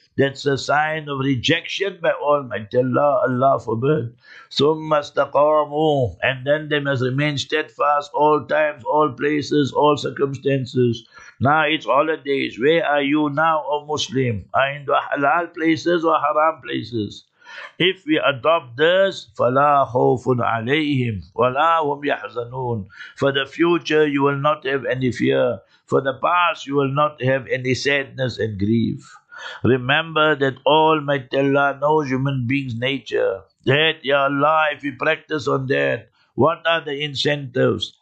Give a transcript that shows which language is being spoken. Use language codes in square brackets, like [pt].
[en] That's a sign of rejection by Almighty Allah, Allah forbid. [ar] ثُمَّ اسْتَقَامُوا. [en] And then they must remain steadfast all times, all places, all circumstances. Now it's holidays. Where are you now, O Muslim? Are you in the halal places or haram places? If we adopt this, [ar] فَلَا خَوْفٌ عَلَيْهِمْ وَلَا هُمْ يَحْزَنُونَ. [en] For the future, you will not have any fear. For the past, you will not have any sadness and grief. Remember that Almighty Allah knows human beings' nature. That, Ya Allah, if we practice on that, what are the incentives?